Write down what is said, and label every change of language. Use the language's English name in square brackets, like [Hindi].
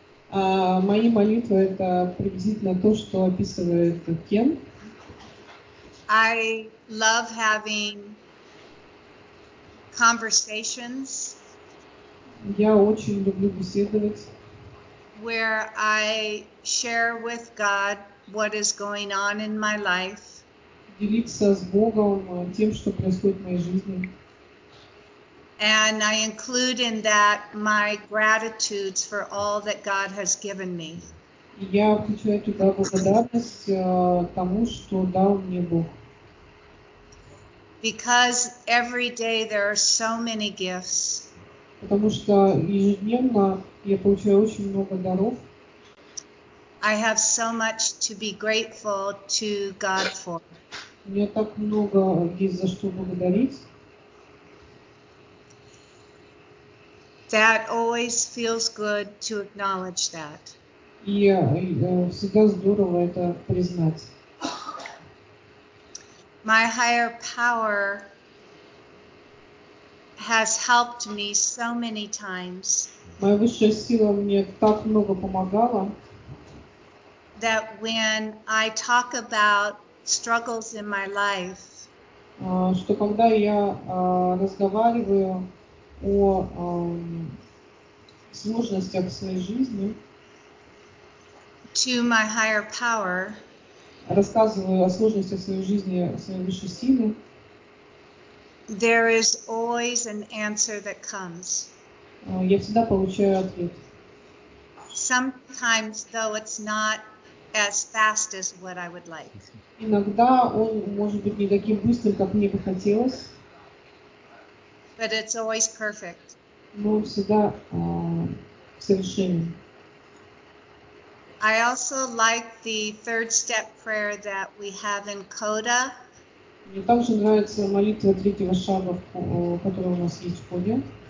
[Russian] Мои молитвы — это приблизительно то, что описывает Кен. [English] I love having conversations. [Russian] Я очень люблю беседовать. [English] Where I share with God what is going on in my life. [Russian] Делиться с Богом тем, что происходит в моей жизни. [English] And I include in that my gratitudes for all that God has given me. [Russian] Я включаю туда благодарность тому, что дал мне Бог. [English] Because every day there are so many gifts. [Russian] Потому что ежедневно я получаю очень много даров. [English] I have so much to be grateful to God for. [Russian] У меня так много есть за что благодарить. [English] That always feels good to acknowledge that. [Russian] Всегда здорово это признать. [English] My higher power has helped me so many times. [Russian] Моя высшая сила мне так много помогала. [English] That when I talk about struggles in my life, [Russian] что когда я разговариваю о сложностях в своей жизни, [English] to my higher power, [Russian] рассказываю о сложностях своей жизни своей высшей силе, [English] there is always an answer that comes. [Russian] Я всегда получаю ответ. [English] Sometimes, though, it's not as fast as what I would like. [Russian] Иногда он может быть не таким быстрым, как мне бы хотелось. [English] But it's always perfect. [Russian] Но он всегда совершенен. [English] I also like the third step prayer that we have in Coda. [Russian] Мне также нравится молитва третьего шага, которая у нас есть в Коде.